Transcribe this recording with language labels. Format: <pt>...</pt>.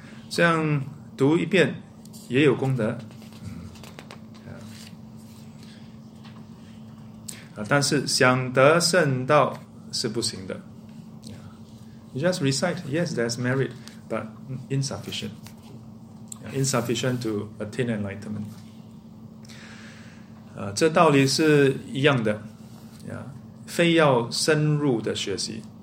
<zh>这样读一遍, 也有功德, 但是想得圣道是不行的。</zh> <en>You just recite, yes, there's merit, but insufficient. Insufficient to attain enlightenment.</en> <zh>这道理是一样的, 非要深入的学习,</zh>